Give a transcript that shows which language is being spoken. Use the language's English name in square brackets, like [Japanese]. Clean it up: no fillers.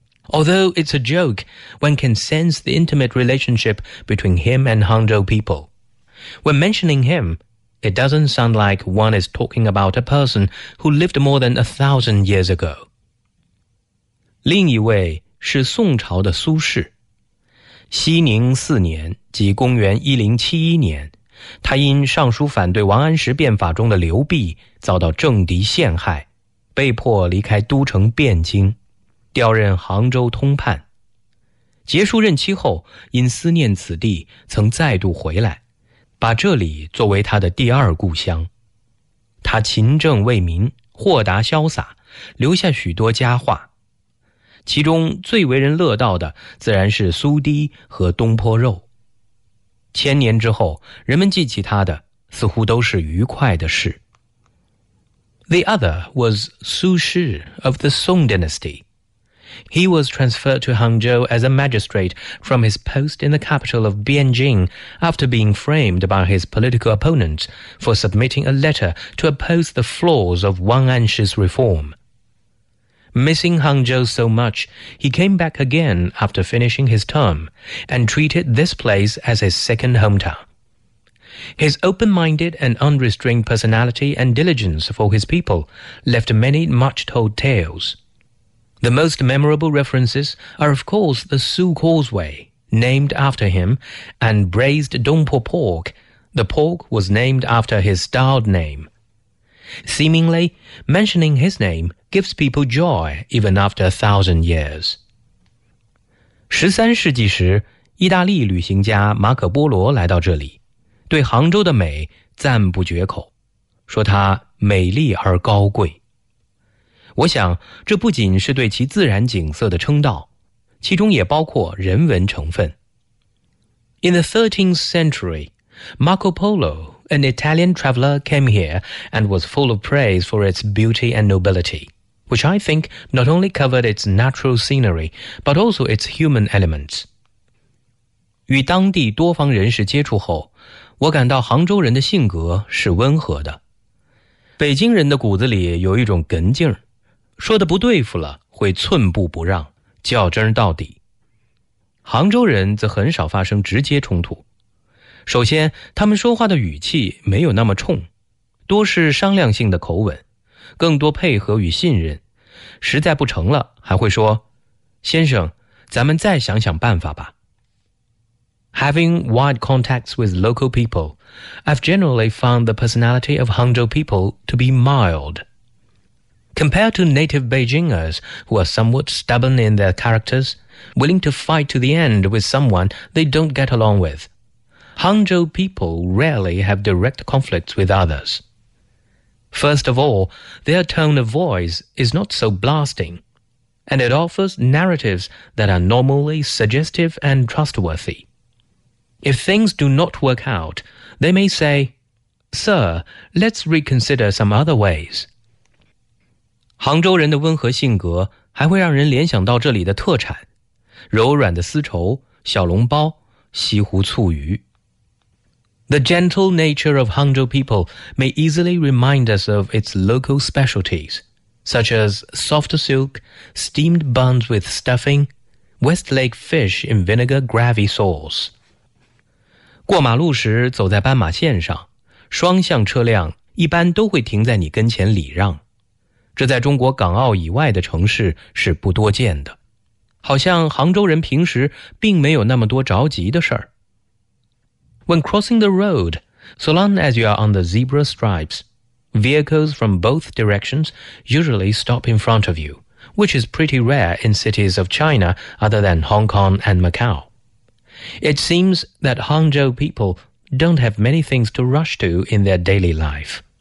[English] Although it's a joke, one can sense the intimate relationship between him and Hangzhou people. When mentioning him,It doesn't sound like one is talking about a person who lived more than 1,000 years ago. [Chinese] 另一位是宋朝的苏轼。熙宁四年，即公元1071年，他因上书反对王安石变法中的刘濞，遭到政敌陷害，被迫离开都城汴京，调任杭州通判。结束任期后，因思念此地，曾再度回来。把这里作为他的第二故乡，他勤政为民，豁达潇洒，留下许多佳话，其中最为人乐道的自然是苏堤和东坡肉。千年之后，人们记起他的似乎都是愉快的事。 [English] The other was Su Shi of the Song Dynasty. He was transferred to Hangzhou as a magistrate from his post in the capital of Beijing after being framed by his political opponents for submitting a letter to oppose the flaws of Wang Anshi's reform. Missing Hangzhou so much, he came back again after finishing his term and treated this place as his second hometown. His open-minded and unrestrained personality and diligence for his people left many much-told tales. The most memorable references are, of course, the Sioux Causeway, named after him, and braised Dongpo pork. The pork was named after his styled name. Seemingly, mentioning his name gives people joy even after 1,000 years. [Chinese] 13世纪时，意大利旅行家马可波罗来到这里，对杭州的美赞不绝口，说它美丽而高贵。我想，这不仅是对其自然景色的称道，其中也包括人文成分。 [English] In the 13th century, Marco Polo, an Italian traveler, came here and was full of praise for its beauty and nobility, which I think not only covered its natural scenery, but also its human elements. [Chinese] 与当地多方人士接触后，我感到杭州人的性格是温和的。北京人的骨子里有一种哏劲儿，说的不对付了，会寸步不让，较真到底。杭州人则很少发生直接冲突。首先，他们说话的语气没有那么冲，多是商量性的口吻，更多配合与信任。实在不成了，还会说，先生，咱们再想想办法吧。 [English] Having wide contacts with local people, I've generally found the personality of Hangzhou people to be mild. Compared to native Beijingers, who are somewhat stubborn in their characters, willing to fight to the end with someone they don't get along with, Hangzhou people rarely have direct conflicts with others. First of all, their tone of voice is not so blasting, and it offers narratives that are normally suggestive and trustworthy. If things do not work out, they may say, Sir, let's reconsider some other ways. [Chinese] 杭州人的温和性格还会让人联想到这里的特产，柔软的丝绸、小笼包、西湖醋鱼。 [English] The gentle nature of Hangzhou people may easily remind us of its local specialties, such as soft silk, steamed buns with stuffing, Westlake fish in vinegar gravy sauce. [Chinese] 过马路时走在斑马线上，双向车辆一般都会停在你跟前礼让。这在中国港澳以外的城市是不多见的，好像杭州人平时并没有那么多着急的事儿。 [English] When crossing the road, so long as you are on the zebra stripes, vehicles from both directions usually stop in front of you, which is pretty rare in cities of China other than Hong Kong and Macau. It seems that Hangzhou people don't have many things to rush to in their daily life.